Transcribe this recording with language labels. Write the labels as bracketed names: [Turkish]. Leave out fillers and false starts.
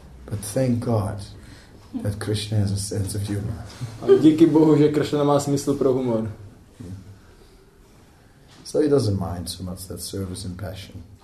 [English] But thank God that Krishna has a sense of humor. [Czech] A díky Bohu, že Krishna má smysl pro humor. [English] So he doesn't mind so much that service and passion.